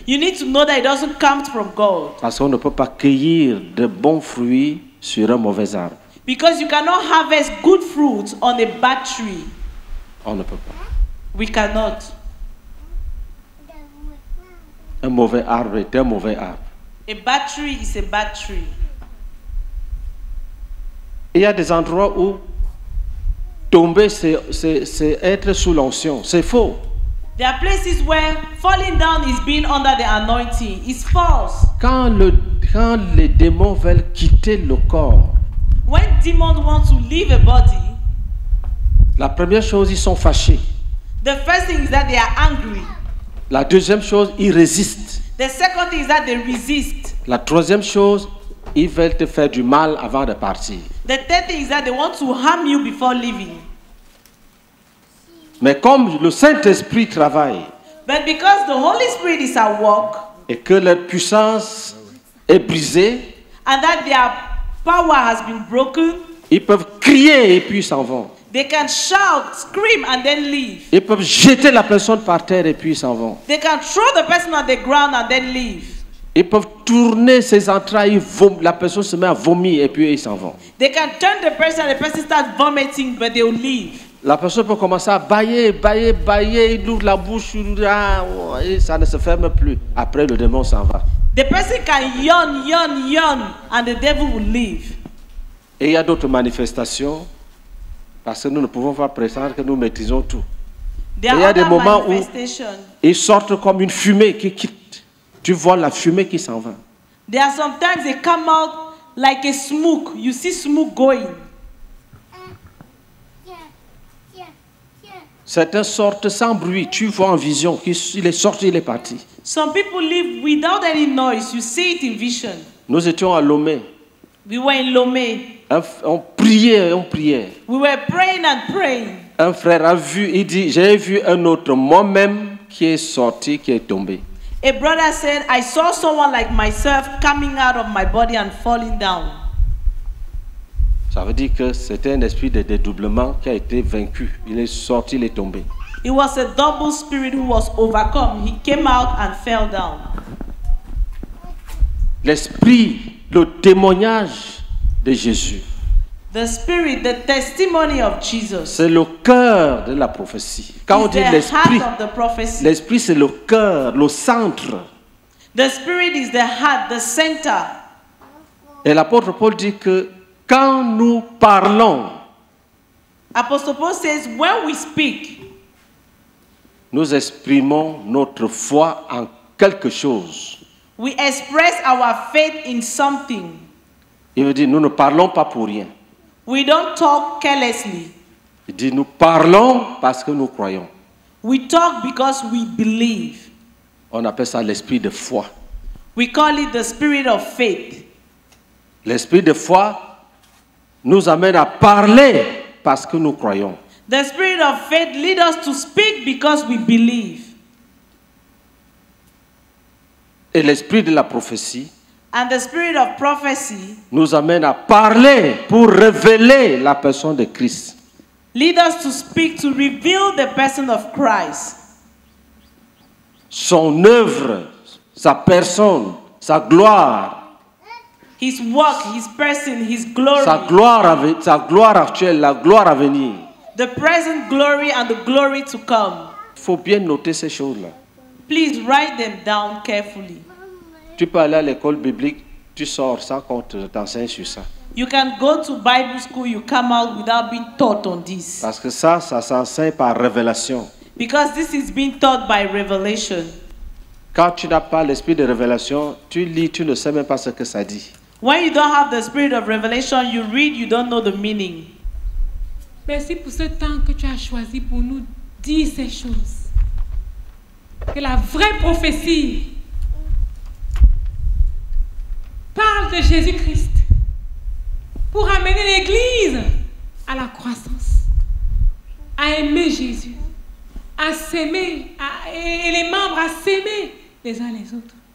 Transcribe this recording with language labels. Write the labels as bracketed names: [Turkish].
[English] You need to know that it doesn't come from God. [French] Parce qu'on ne peut pas cueillir de bons fruits sur un mauvais arbre. [English] Because you cannot harvest good fruits on a bad tree. [French] On ne peut pas. [English] We cannot. [French] Un mauvais arbre est un mauvais arbre. [English] A bad tree is a bad tree. [French] Il y a des endroits où tomber c'est être sous l'onction. C'est faux. [English] There are places where falling down is being under the anointing. It's false. [French] Quand les démons veulent quitter le corps, [English] when demons want to leave a body, [French] la première chose, ils sont fâchés. [English] The first thing is that they are angry. [French] La deuxième chose, ils résistent. [English] The second thing is that they resist. [French] La troisième chose, ils veulent te faire du mal avant de partir. [English] The third thing is that they want to harm you before leaving. [French] Mais comme le Saint-Esprit travaille, [English] but because the Holy Spirit is at work, [French] et que leur puissance est brisée, [English] and that their power has been broken, [French] ils peuvent crier et puis ils s'en vont. [English] They can shout, scream, and then leave. [French] Ils peuvent jeter la personne par terre et puis ils s'en vont. [English] They can throw the person on the ground and then leave. [French] Ils peuvent tourner ses entrailles, la personne se met à vomir et puis ils s'en vont. [English] They can turn the person and the person starts vomiting, but they will leave. [French] La personne peut commencer à bailler, bailler, bailler, il ouvre la bouche, et ça ne se ferme plus. Après, le démon s'en va. [English] The person can yawn, yawn, yawn, and the devil will leave. [French] Et il y a d'autres manifestations, parce que nous ne pouvons pas prétendre que nous maîtrisons tout. Il y a des moments où ils sortent comme une fumée qui quitte. Tu vois la fumée qui s'en va. [English] There are sometimes they come out like a smoke. You see smoke going. [French] Certains sortent sans bruit. Tu vois en vision. Il est sorti, il est parti. [English] Some people leave without any noise. You see it in vision. [French] Nous étions à Lomé. [English] We were in Lomé. [French] On priait, on priait. [English] We were praying and praying. [French] Un frère a vu, il dit, j'ai vu un autre moi-même qui est sorti, qui est tombé. [English] A brother said, I saw someone like myself coming out of my body and falling down. [French] Ça veut dire que c'était un esprit de dédoublement qui a été vaincu. Il est sorti, il est tombé. [English] It was a double spirit who was overcome. He came out and fell down. [French] L'esprit, le témoignage de Jésus. [English] The spirit, the testimony of Jesus. [French] C'est le cœur de la prophétie. Quand on dit l'esprit, l'esprit c'est le cœur, le centre. [English] The spirit is the heart, the center. [French] Et l'apôtre Paul dit que quand nous parlons, [English] Apostle Paul says, when we speak, [French] nous exprimons notre foi en quelque chose. [English] We express our faith in something. [French] Il veut dire, nous ne parlons pas pour rien. [English] We don't talk carelessly. [French] Il dit, nous parlons parce que nous croyons. [English] We talk because we believe. [French] On appelle ça l'esprit de foi. [English] We call it the spirit of faith. [French] L'esprit de foi nous amène à parler parce que nous croyons. [English] The spirit of faith leads us to speak because we believe. [French] Et l'esprit de la prophétie, [English] and the spirit of prophecy, [French] nous amène à parler pour révéler la personne de Christ. [English] Lead us to speak to reveal the person of Christ. [French] Son œuvre, sa personne, sa gloire. [English] His work, his person, his glory. [French] Sa gloire actuelle, la gloire à venir. [English] The present glory and the glory to come. [French] Faut bien noter ces choses-là. [English] Please write them down carefully. [French] Tu peux aller à l'école biblique, tu sors sans qu'on t'enseigne sur ça. [English] You can go to Bible school, you come out without being taught on this. [French] Parce que ça s'enseigne par révélation. [English] Because this is being taught by revelation. [French] Quand tu n'as pas l'esprit de révélation, tu lis, tu ne sais même pas ce que ça dit. [English] When you don't have the spirit of revelation, you read, you don't know the meaning. [French] Merci pour ce temps que tu as choisi pour nous dire ces choses. Que la vraie prophétie parle de Jésus-Christ pour amener l'Église à la croissance, à aimer Jésus, à s'aimer, et les membres à s'aimer les uns les autres.